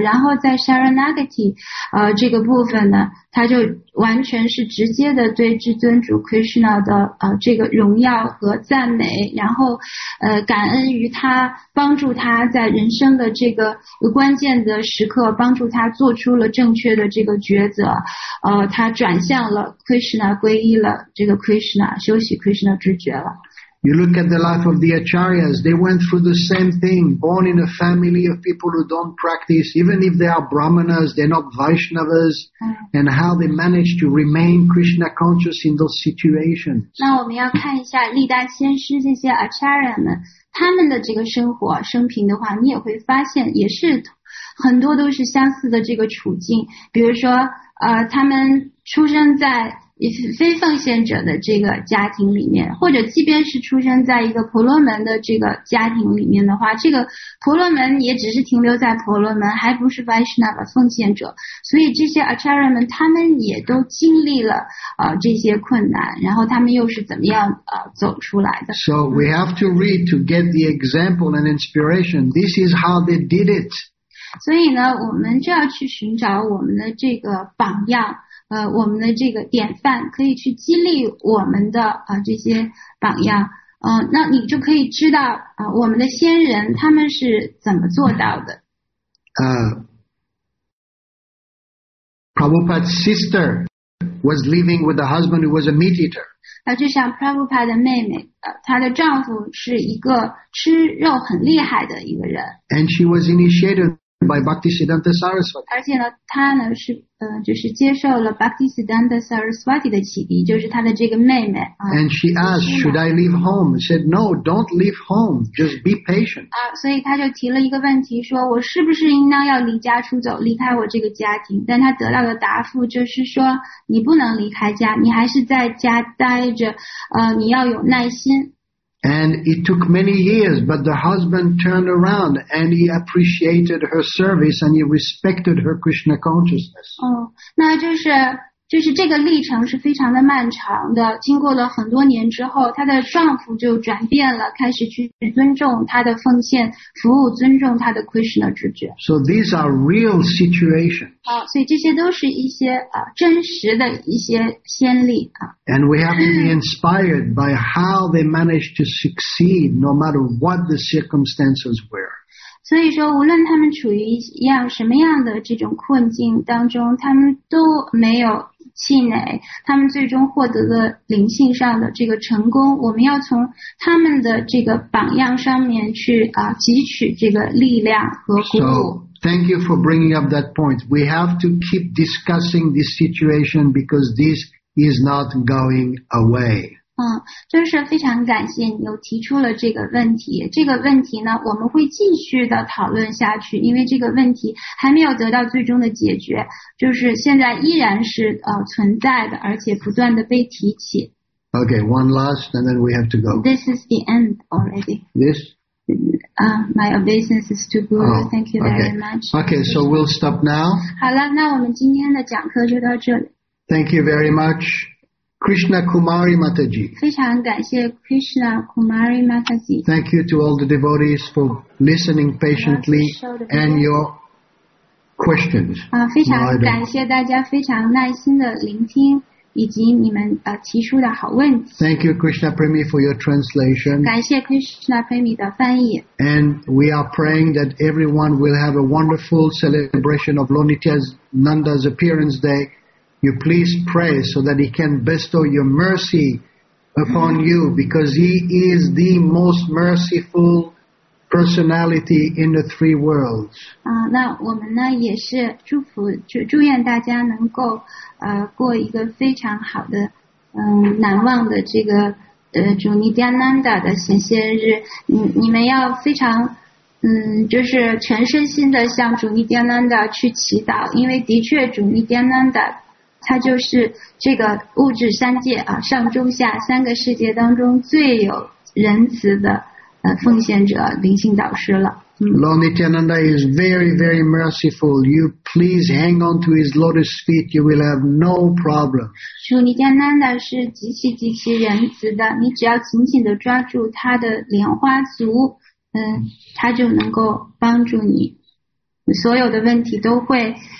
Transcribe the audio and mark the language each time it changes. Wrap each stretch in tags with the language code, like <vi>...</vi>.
<zh>然后在 Sharanagati 这个部分呢，他就完全是直接的对至尊主 Krishna 的这个荣耀和赞美，然后感恩于他帮助他在人生的这个关键的时刻帮助他做出了正确的这个抉择，他转向了 Krishna, 皈依了这个 Krishna, 修习 Krishna 知觉了。</zh> <en>You look at the life of the Acharyas, they went through the same thing, born in a family of people who don't practice, even if they are Brahmanas, they're not Vaishnavas, and how they managed to remain Krishna conscious in those situations.</en> <zh>那我们要看一下历代先师这些 Acharya 们他们的这个生活生平的话，你也会发现也是很多都是相似的这个处境。比如说他们出生在非奉献者的这个家庭里面，或者即便是出生在一个婆罗门的这个家庭里面的话，这个婆罗门也只是停留在婆罗门，还不是 Vaishnava 奉献者。所以这些 Acharya 们他们也都经历了这些困难，然后他们又是怎么样走出来的。</zh> <en>So we have to read to get the example and inspiration. This is how they did it.</en> <zh>所以呢，我们就要去寻找我们的这个榜样，我们的这个典范，可以去激励我们的这些榜样，那你就可以知道我们的先人他们是怎么做到的。</zh> <en>Prabhupada's sister was living with a husband who was a meat eater.</en> <zh>就像 Prabhupada 的妹妹，她的丈夫是一个吃肉很厉害的一个人。</zh> <en>And she was initiated. By Bhaktisiddhanta Saraswati.</en> <zh>而且呢，他呢是就是接受了 Bhaktisiddhanta Saraswati 的启迪，就是他的这个妹妹。</zh> <en>And she asked, "Should I leave home?" He said, "No, don't leave home. Just be patient."</en> <zh>所以他就提了一个问题，说我是不是应当要离家出走，离开我这个家庭？但他得到的答复就是说，你不能离开家，你还是在家待着，你要有耐心。</zh> <en>And it took many years, but the husband turned around and he appreciated her service and he respected her Krishna consciousness.</en> <zh>那就是这个历程是非常的漫长的，经过了很多年之后，她的丈夫就转变了，开始去尊重她的奉献，服务，尊重她的 Krishna 直觉。</zh> <en>So these are real situations.</en> <zh>所以这些都是一些真实的一些先例啊。</zh> <en>And we have to be inspired by how they managed to succeed, no matter what the circumstances were.</en> <zh>所以说无论他们处于什么样的这种困境当中，他们都没有气馁，他们最终获得了灵性上的这个成功，我们要从他们的这个榜样上面去汲取这个力量和鼓舞。</zh> <en>So, thank you for bringing up that point. We have to keep discussing this situation because this is not going away.</en> <zh>真是非常感谢你又提出了这个问题。这个问题呢，我们会继续的讨论下去，因为这个问题还没有得到最终的解决，就是现在依然是存在的，而且不断的被提起。</zh> <en>Okay, one last, and then we have to go. This is the end already. This? My obeisance is to Guru. Thank you very much. Okay, so we'll stop now.</en> <zh>好了，那我们今天的讲课就到这里。</zh> <en>Thank you very much. Krishna Kumari Mataji.</en> <zh>非常感谢 Krishna Kumari Mataji.</zh> <en>Thank you to all the devotees for listening patiently and your questions.</en> <zh>非常感谢大家非常耐心的聆听以及你们提出的好问题。</zh> <en>Thank you Krishna Premi for your translation.</en> <zh>感谢 Krishna Premi 的翻译。</zh> <en>And we are praying that everyone will have a wonderful celebration of Lord Nityananda's appearance day. You please pray so that he can bestow your mercy upon you because he is the most merciful personality in the three worlds.</en> <zh>那我们呢也是祝福，祝愿大家能够过一个非常好的难忘的这个主尼迦南达的显现日。你们要非常就是全身心的向主尼迦南达去祈祷，因为的确主尼迦南达它就是这个物质三界上中下三个世界当中最有仁慈的奉献者灵性导师了。</zh> <en>Lord Nityananda is very, very merciful. You please hang on to his lotus feet. You will have no problem.</en> <zh>主尼迦南达是极其极其仁慈的，你只要紧紧的抓住他的莲花足，他就能够帮助你，所有的问题都会。</zh>